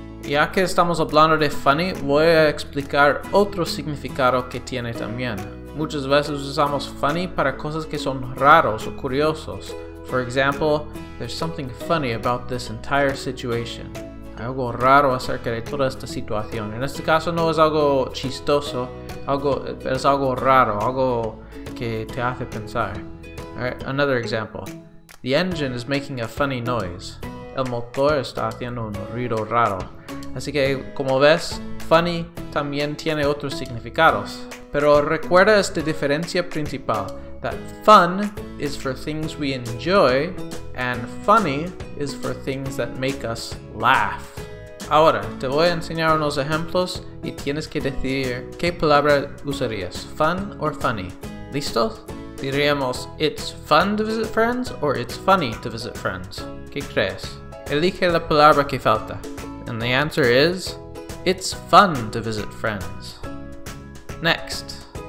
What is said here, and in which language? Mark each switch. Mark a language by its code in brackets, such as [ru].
[es] Ya que estamos hablando de funny, voy a explicar otro significado que tiene también. Muchas veces usamos funny para cosas que son raros o curiosos. [en] For example, there's something funny about this entire situation. [es] Hay algo raro acerca de toda esta situación. En este caso no es algo chistoso, es algo raro, algo que te hace pensar. [en] Alright, another example. The engine is making a funny noise. [es] El motor está haciendo un ruido raro. Así que, como ves, funny también tiene otros significados. Pero recuerda esta diferencia principal, [en] that fun is for things we enjoy, and funny is for things that make us laugh. [es] Ahora, te voy a enseñar unos ejemplos y tienes que decidir qué palabra usarías, [en] fun or funny. [es] ¿Listo? Diríamos, [en] it's fun to visit friends or it's funny to visit friends. [es] ¿Qué crees? Elige la palabra que falta. [en] And the answer is, it's fun to visit friends. Next.